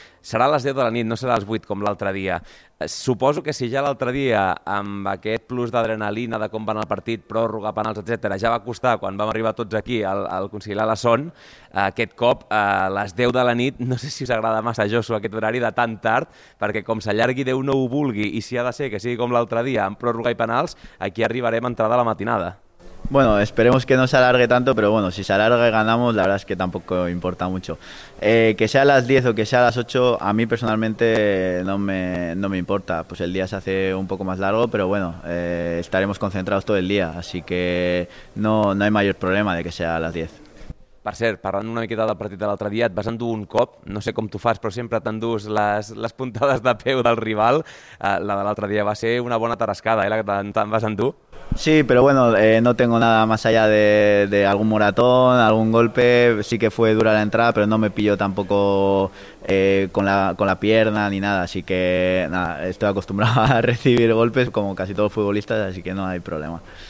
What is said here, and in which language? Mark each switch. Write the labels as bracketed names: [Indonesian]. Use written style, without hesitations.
[Catalan] Serà a les 10 de la nit, no serà a les 8 com l'altre dia. Suposo que si ja l'altre dia, amb aquest plus d'adrenalina de com va anar el partit, pròrroga, penals, etc., ja va costar, quan vam arribar tots aquí, al conciliar la son, aquest cop, a les 10 de la nit, no sé si us agrada massa, Josu, aquest horari de tan tard, perquè com s'allargui Déu no ho vulgui, i si ha de ser que sigui com l'altre dia, amb pròrroga i penals, aquí arribarem a entrada la matinada. [Spanish] Bueno, esperemos que no se alargue tanto, pero bueno, si se alarga y ganamos, la verdad es que tampoco importa mucho. Que sea a las 10 o que sea a las 8, a mí personalmente no me importa. Pues el día se hace un poco más largo, pero bueno, estaremos concentrados todo el día, así que no hay mayor problema de que sea a las 10. [Catalan] Per cert, parlant una miqueta del partit de l'altre dia, et vas endur un cop, no sé com t'ho fas, però sempre t'endús les puntades de peu del rival. La de l'altre dia va ser una bona tarascada, la que te'n vas endur. [Spanish] Sí, pero bueno, no tengo nada más allá de algún moratón, algún golpe. Sí que fue dura la entrada, pero no me pillo tampoco con la pierna ni nada. Así que nada, estoy acostumbrado a recibir golpes como casi todos los futbolistas, así que no hay problema.